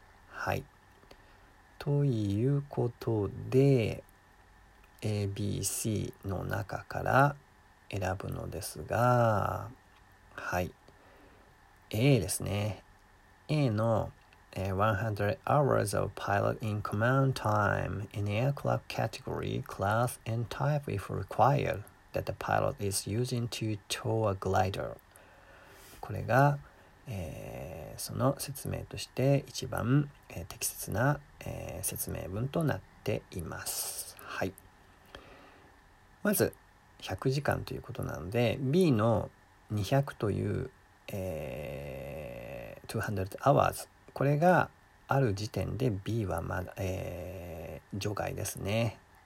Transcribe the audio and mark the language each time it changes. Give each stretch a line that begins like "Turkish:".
Japanese: はい。ということで ABC の中から選ぶのですが、はい、 A ですね。
English: A の100 hours of pilot in command time in aircraft category, class, and type if required that the pilot is using to tow a glider.
Japanese: これが、その説明として一番、適切な、説明文となっています。はい。まず100時間ということなので B の200という、
English: 200 hours、
Japanese: これがある時点で B はまだ、除外ですね。